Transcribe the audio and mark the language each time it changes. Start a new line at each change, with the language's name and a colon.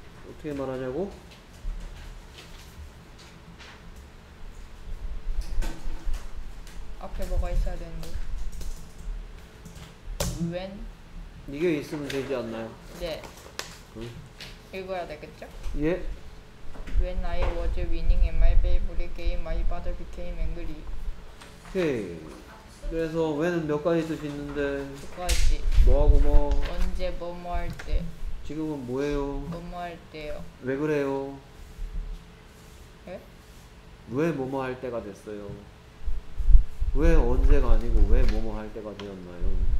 Korean: 어떻게 말하냐고? 앞에 뭐가 있어야 되는데 when? 이게 있으면 되지 않나요? 네. 응. 읽어야 되겠죠? 예.
English: When I was winning in my favorite game, my father became angry.
Korean: 오케이. 그래서 when은 몇 가지 뜻이 있는데? 두 가지. 뭐하고 뭐? 언제 뭐뭐 할 때. 지금은 뭐예요? 뭐뭐 할 때요. 왜 그래요? 예? 왜 뭐뭐 할 때가 됐어요? 왜 언제가 아니고 왜 뭐뭐 할 때가 되었나요?